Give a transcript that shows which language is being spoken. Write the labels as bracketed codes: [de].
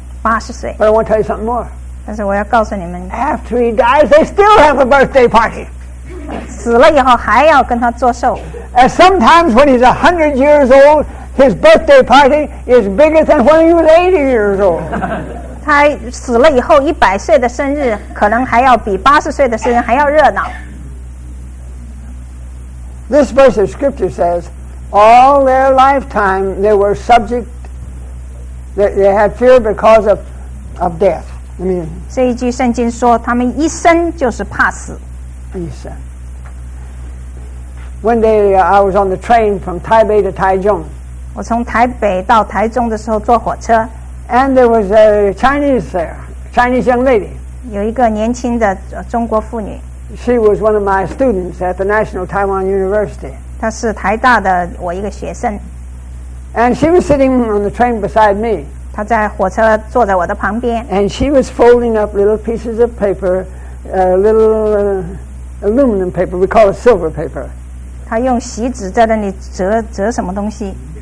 [zh] 80岁。 [en] But I want to tell you something more. [zh] 但是我要告诉你们 [en] After he dies, they still have a birthday party. [zh] 死了以后还要跟他做寿 [en] And sometimes when he's 100 years old, his birthday party is bigger than when he was 80 years old. [zh] 他死了以后100岁的生日可能还要比80岁的生日还要热闹 [en] This verse of scripture says, all their lifetime they were subject, they had fear because of death. [zh] 这一句圣经说他们一生就是怕死一生 [en] One day I was on the train from Taipei to Taichung [zh] 我从台北到台中的时候坐火车 [en] And there was a Chinese there Chinese young lady [zh] 有一个年轻的中国妇女 [en] She was one of my students at the National Taiwan University [zh] 她是台大的我一个学生 [en] And she was sitting on the train beside me [zh] 她在火车坐在我的旁边 [en] And she was folding up little pieces of paper little aluminum paper We call it silver paper [zh] 她用锡纸在那里折什么东西